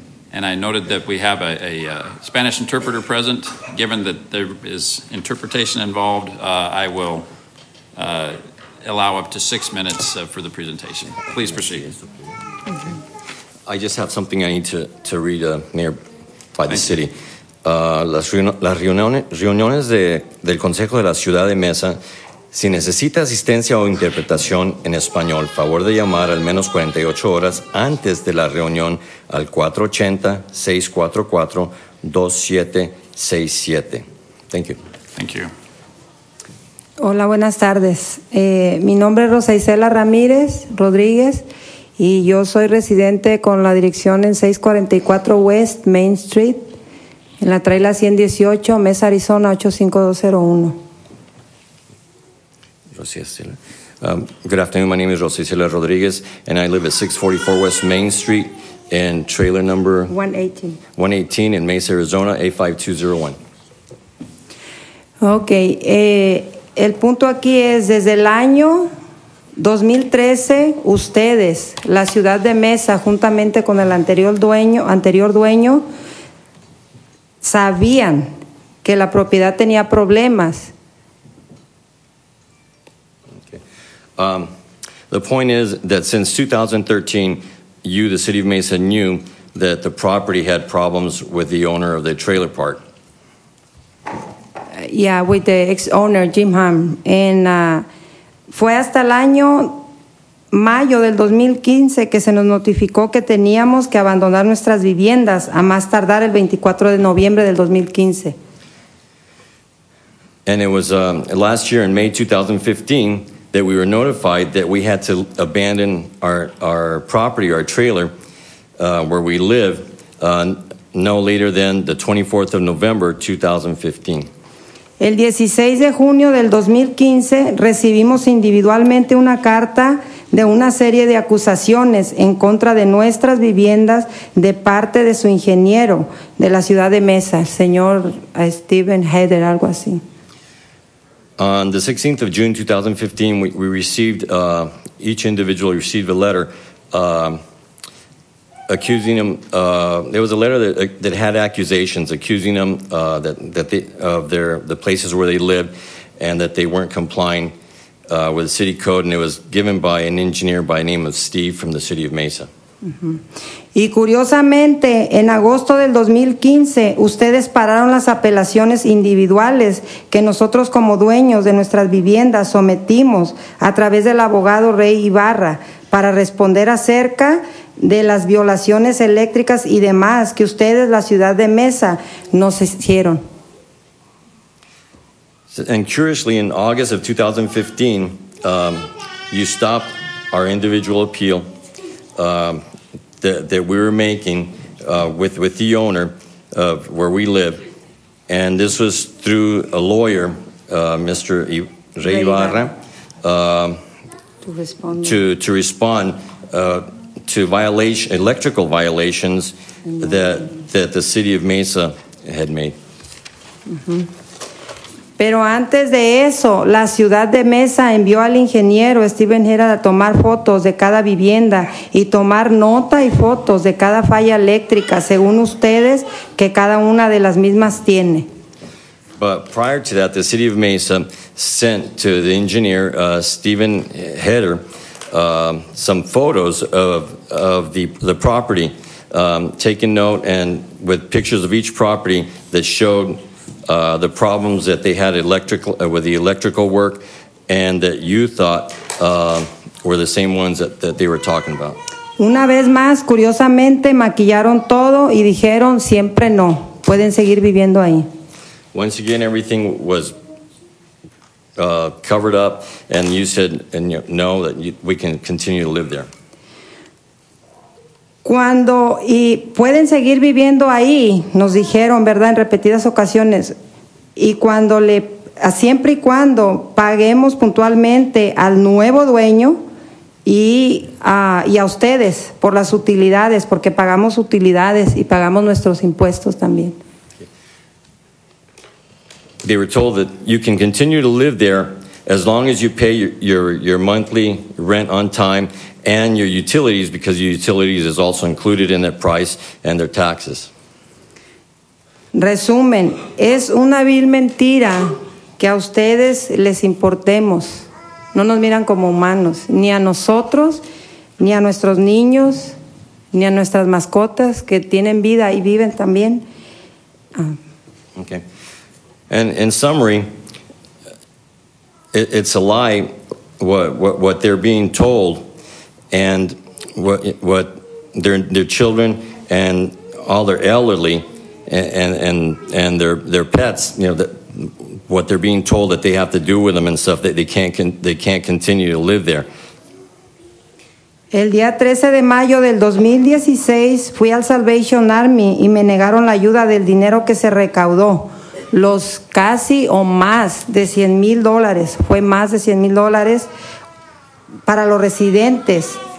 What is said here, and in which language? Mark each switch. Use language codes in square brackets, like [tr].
[en] And I noted that we have a Spanish interpreter present. Given that there is interpretation involved, I will allow up to 6 minutes for the presentation. Please proceed. Okay. I just have something I need to read near by the city. [es] Las reuniones del Consejo de la Ciudad de Mesa. Si necesita asistencia o interpretación en español, favor de llamar al menos 48 horas antes de la reunión al 480-644-2767. [en] Thank you. Thank you. [es] Hola, buenas tardes. Mi nombre es Rosa Isela Ramírez Rodríguez y yo soy residente con la dirección en 644 West Main Street en la traila 118, Mesa, Arizona 85201. [en] Good afternoon. My name is Rosicela Rodriguez, and I live at 644 West Main Street and trailer number? 118 in Mesa, Arizona, 85201. Okay. [es] El punto aquí es desde el año 2013, ustedes, la ciudad de Mesa, juntamente con el anterior dueño, sabían que la propiedad tenía problemas. [en] Okay. The point is that since 2013, you, the city of Mesa, knew that the property had problems with the owner of the trailer park. Yeah, with the ex-owner, Jim Hamm. [es] And fue hasta el año mayo del 2015 que se nos notificó que teníamos que abandonar nuestras viviendas a más tardar el 24 de noviembre del 2015. [en] And it was last year in May 2015 that we were notified that we had to abandon our property, our trailer, where we live, no later than the 24th of November 2015. [es] El 16 de junio del 2015 recibimos individualmente una carta de una serie de acusaciones en contra de nuestras viviendas de parte de su ingeniero de la ciudad de Mesa, el señor Steven Heather, algo así. [en] On the 16th of June 2015, we received, each individual received a letter accusing them. There was a letter that had accusations accusing them the places where they lived, and that they weren't complying with the city code. And it was given by an engineer by the name of Steve from the city of Mesa. [es] Uh-huh. Y curiosamente, en agosto del 2015, ustedes pararon las apelaciones individuales que nosotros como dueños de nuestras viviendas sometimos a través del abogado Rey Ibarra para responder acerca de las violaciones eléctricas y demás que ustedes, la ciudad de Mesa, nos hicieron. [en] And curiously, in August of 2015, you stopped our individual appeal that we were making with the owner of where we live. And this was through a lawyer, Mr. Rey Ibarra, to respond to electrical violations that the city of Mesa had made. Mm-hmm. [es] Pero antes de eso, la ciudad de Mesa envió al ingeniero Steven Herrera a tomar fotos de cada vivienda y tomar nota y fotos de cada falla eléctrica, según ustedes, que cada una de las mismas tiene. [en] But prior to that, the city of Mesa sent to the engineer Steven Herrera some photos of the property, taking note and with pictures of each property that showed the problems that they had with the electrical work, and that you thought were the same ones that they were talking about. [es] Una vez más, curiosamente, maquillaron todo y dijeron siempre no. Pueden seguir viviendo ahí. [en] Once again, everything was covered up, and you said we can continue to live there. [es] Cuando y pueden seguir viviendo ahí, nos dijeron, ¿verdad?, en repetidas ocasiones. Y cuando siempre y cuando paguemos puntualmente al nuevo dueño y a ustedes por las utilidades, porque pagamos utilidades y pagamos nuestros impuestos también. [en] They were told that you can continue to live there as long as you pay your monthly rent on time and your utilities, because your utilities is also included in their price and their taxes. [es] Resumen, es una vil mentira que a ustedes les importemos. No nos miran como humanos, ni a nosotros, ni a nuestros niños, ni a nuestras mascotas que tienen vida y viven también. [en] Okay. And in summary, it's a lie what they're being told, and what their children and all their elderly and their pets, you know, what they're being told that they have to do with them and stuff, that they can't continue to live there. [es] El día 13 de mayo del 2016 fui al Salvation Army y me negaron la ayuda del dinero que se recaudó, los casi o más de $100,000, fue más de $100,000 para los residentes